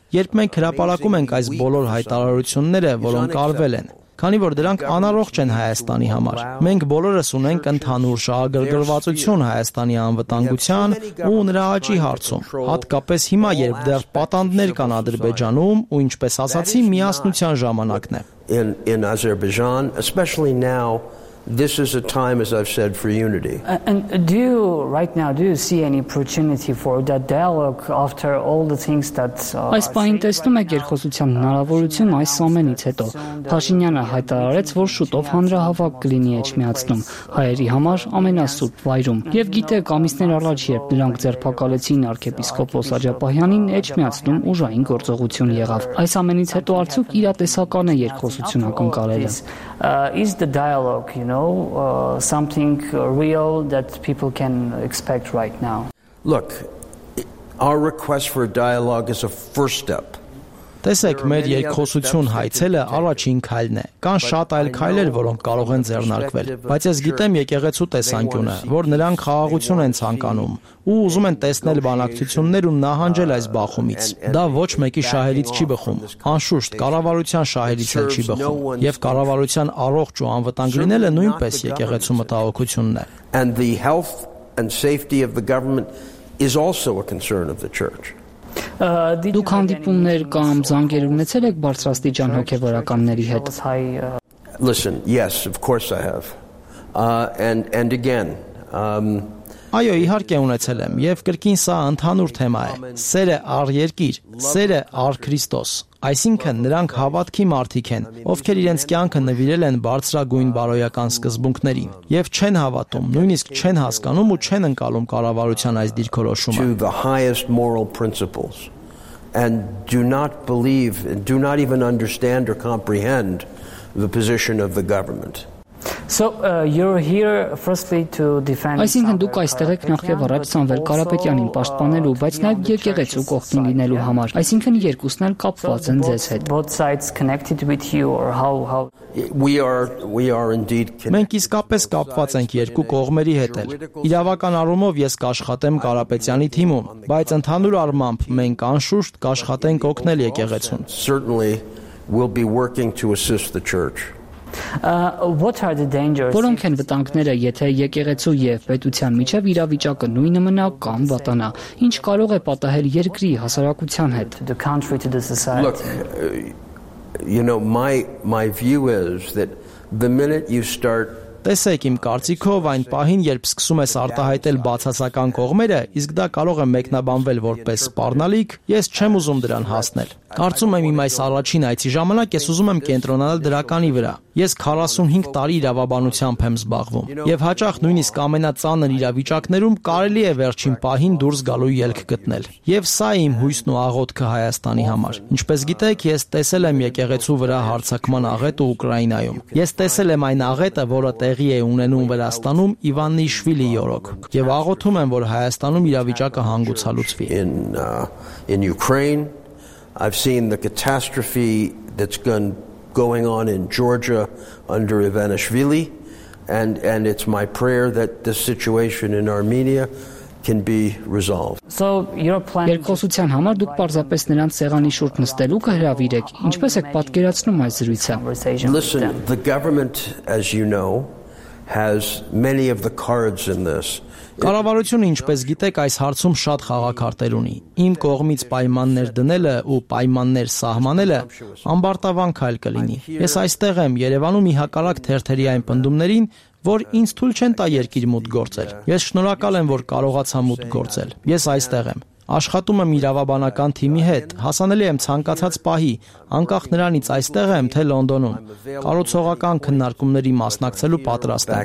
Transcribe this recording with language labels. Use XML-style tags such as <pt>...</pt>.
<hy>երբ մենք հրապարակում ենք այս բոլոր հայտարարությունները, որոնք արվել են, քանի որ դրանք անառողջ են Հայաստանի համար։ Մենք բոլորս ունենք ընդհանուր շահագրգռվածություն Հայաստանի անվտանգության ու նրա աճի հարցում, հատկապես հիմա, երբ դեռ պատանդներ կան Ադրբեջանում ու, ինչպես ասացի, միասնության ժամանակն է։</hy> <en>In Azerbaijan, especially now, this is a time, as I've said, for unity. And do you see any opportunity for that dialogue after all the things that</en> <hy>Այս պահին տեսնում եք երկխոսության հնարավորություն այս ամենից հետո։ Փաշինյանը հայտարարեց, որ շուտով հանրահավաք կլինի Էջմիածնում, հայերի համար ամենասուրբ վայրում։ Եվ գիտեք, ամիսներ առաջ, երբ նրանք ձերբակալեցին արքեպիսկոպոս Աջապահյանին, Էջմիածնում ուժային գործողություն եղավ։ Այս ամենից հետո արդյոք իրատեսական է երկխոսություն ակնկալելը։</hy> <en>Is the dialogue something real that people can expect right now? Look, Our request for a dialogue is a first step.</en> <hy>Տեսեք, մեր երկխոսություն հայցելը առաջին քայլն է։ Կան շատ այլ քայլեր, որոնք կարող են ձեռնարկվել, բայց ես գիտեմ եկեղեցու տեսանկյունը, որ նրանք խաղաղություն են ցանկանում ու ուզում են տեսնել բանակցություններ ու նահանջել այս բախումից։ Դա ոչ մեկի շահերից չի բխում, անշուշտ կառավարության շահերից էլ չի բխում, եւ կառավարության առողջ ու անվտանգ լինելը նույնպես եկեղեցու մտահոգությունն է։</hy> <en>And the health and safety of the government is also a concern of the church.</en> <hy>Դուք հանդիպումներ կամ զանգեր ունեցել եք բարձրաստիճան հոգևորականների հետ?</hy> <en>Listen, yes, of course I have. And again,</en> <hy>Այո, իհարկե ունեցել եմ, եւ կրկին սա ընդհանուր թեմա է։ Սերը առ երկիր, սերը առ Քրիստոս։ Այսինքն նրանք հավատքի մարդիկ են, ովքեր իրենց կյանքը նվիրել են բարձրագույն բարոյական սկզբունքներին, եւ չեն հավատում, նույնիսկ չեն հասկանում ու չեն ընկալում կառավարության այս դիրքորոշումը։</hy> <en>To the highest moral principles and do not believe, do not even understand or comprehend the position of the government. So you're here firstly to defend</en> <hy>Այսինքն դուք այստեղ եք նախև առաջ Սամվել Կարապետյանին պաշտպանելու, բայց նաև եկեղեցու կողքին լինելու համար։ Այսինքն երկուսն էլ կապված են ձեզ հետ։</hy> <en>Both sides connected with you or how We are indeed connected.</en> <hy>Մենք իսկապես կապված ենք երկու կողմերի հետ։ Իրավական առումով ես կաշխատեմ Կարապետյանի թիմում, բայց ընդհանուր առմամբ մենք անշուշտ կաշխատենք օգնել եկեղեցուն։</hy> <en>Certainly we'll be working to assist the church. What are the dangers?</en> <hy>Որոնք են վտանգները, եթե եկեղեցու եւ պետության միջև իրավիճակը նույնը մնա կամ վատանա, ինչ կարող է պատահել երկրի հասարակության հետ?</hy> <en>Look, you know, my view is that the minute you start</en> <hy>Տեսեք, իմ կարծիքով այն պահին, երբ սկսում ես արտահայտել բացասական կողմերը, իսկ դա կարող է մեկնաբանվել որպես սպառնալիք, ես չեմ ուզում դրան հասնել։ Կարծում եմ, իմ այս առաջին այցի ժամանակ ես ուզում եմ կենտրոնանալ դրականի վրա։ Ես 45 տարի իրավաբանությամբ եմ զբաղվում, եւ հաճախ նույնիսկ ամենածանր իրավիճակներում կարելի է վերջին պահին դուրս գալու ելք գտնել։ Եվ սա իմ հույսն ու աղոթքը Հայաստանի համար։ Ինչպես գիտեք, ես տեսել եմ եկեղեցու վրա հարձակման աղետը Ուկրաինայում։ Ես տեսել եմ այն աղետը, որը տեղի է ունենում Վրաստանում Իվանի Շվիլի յորոք, եւ աղոթում եմ, որ Հայաստանում իրավիճակը հանգուցալուծվի։</hy> <en>In Ukraine, I've seen the catastrophe that's going on in Georgia under Ivanishvili, and it's my prayer that this situation in Armenia can be resolved. So you're planning</en> <hy>Երկխոսության համար դուք պարզապես նրանց սեղանի շուրջ նստելու կհրավիրեք, ինչպես եք պատկերացնում այս զրույցը?</hy> <en>Listen, the government, as you know, has many of the cards in this.</en> <hy>Կառավարությունը, ինչպես գիտեք, այս հարցում շատ խաղակարտեր ունի։ Իմ կողմից պայմաններ դնելը ու պայմաններ սահմանելը ամբարտավան քայլ կլինի։ Ես այստեղ եմ Երևանում մի հակառակ թերթերի այն պնդումներին, որ ինձ թույլ չեն տա երկիր մուտ գործել։ Ես շնորհակալ եմ, որ կարողացա մուտ գործել։ Ես այստեղ եմ։ Աշխատում եմ իրավաբանական թիմի հետ, հասանելի եմ ցանկացած պահի, անկախ նրանից այստեղ եմ թե Լոնդոնում։ Կարոցողական քննարկումների մասնակցելու պատրաստ</hy>